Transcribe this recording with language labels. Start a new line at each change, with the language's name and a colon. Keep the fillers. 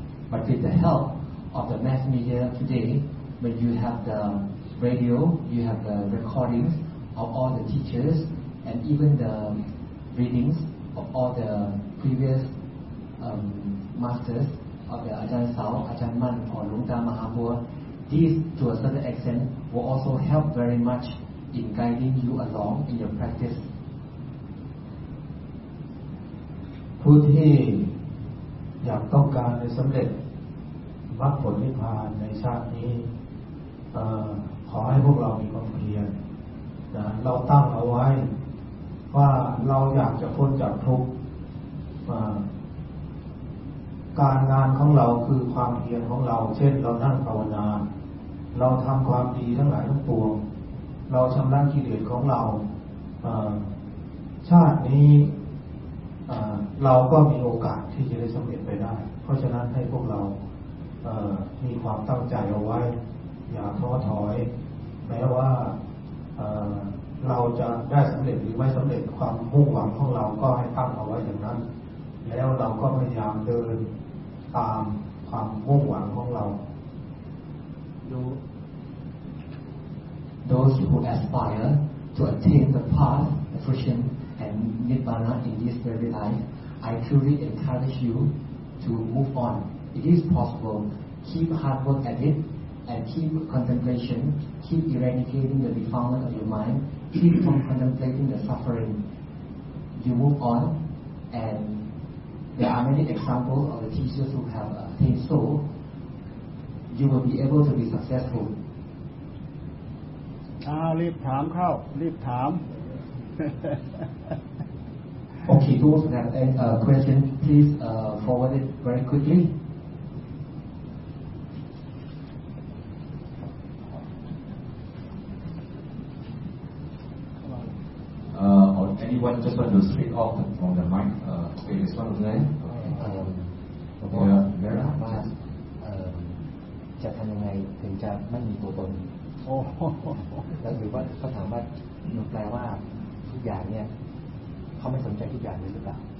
English: But with the help of the mass media today, when you have the radio, you have the recordings of all the teachers and even the readings of all the previous um, masters of the Ajahn Sao, Ajahn Man, or Lung Ta Mahabua, these to a certain extent will also help very much in guiding you along in your practice.
Thai: ผู้ที่อยากต้องการในสำเร็จมรรคผลนิพพานในชาตินี้เอ่อขอให้พวกเรามีความเพียรนะเราตั้งเอาไว้ ว่าเราอยากจะพ้นจากทุกข์เอ่อ การงานของเราคือความเพียรของเรา เช่น เรานั่งภาวนา เราทำความดีทั้งหลายทั้งปวง เราชำระกิเลสของเราเอ่อชาตินี้ เอ่อเราก็มีโอกาสที่จะได้สำเร็จไปได้ เพราะฉะนั้นให้พวกเราเอ่อมีความตั้งใจเอาไว้ อย่าท้อถอย แม้ว่าเอ่อเราจะได้สำเร็จหรือไม่สำเร็จความมุ่งหวังของเราก็ให้ตั้งเอาไว้อย่างนั้น แล้วเราก็พยายามเดินตามความมุ่งหวังของเรา ดู
English: those who aspire to attain the path, fruition, and nirvana in this very life, I truly encourage you to move on. It is possible. Keep hard work at it and keep contemplation, keep eradicating the defilement of your mind, keep from contemplating the suffering. You move on and there are many examples of the teachers who have attained so you will be able to be successful
Thai: อ้าวรีบถามเข้า รีบถาม
English: Okay, those who have any uh, question, please uh, forward it very quickly. Uh, or anyone just want to speak off from the mic? Uh, wait, is one of them? Um,
Thai: ผม ก็ ว่า ถามว่าเอิ่มจะทำยังไงถึงจะไม่มีตัวตน โอ้โห แล้วหรือว่าเขาถามว่ามันแปลว่าทุกอย่างเนี่ย เขาไม่สนใจทุกอย่างเลยหรือเปล่า